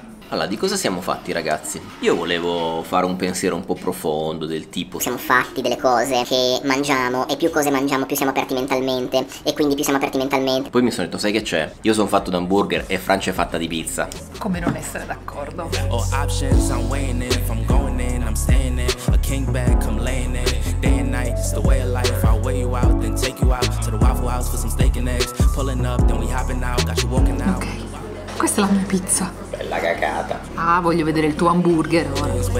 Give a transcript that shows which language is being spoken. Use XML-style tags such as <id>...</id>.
<it>Allora, di cosa siamo fatti, ragazzi? Io volevo fare un pensiero un po' profondo, del tipo: siamo fatti delle cose che mangiamo, e più cose mangiamo più siamo aperti mentalmente, e quindi più siamo aperti mentalmente. Poi mi sono detto, sai che c'è? Io sono fatto da hamburger e Francia è fatta di pizza. Come non essere d'accordo?</it> <en>Oh, options, I'm weighing it. If I'm going in, I'm staying in. A king bag, come laying it. Day and night, it's the way of life. I'll weigh you out, then take you out to the Waffle House for some steak and eggs. Pulling up, then we hopping out. Got you walking out. Okay.</en> <it>Questa è la mia pizza. Bella cacata. Ah, voglio vedere il tuo hamburger ora.</it>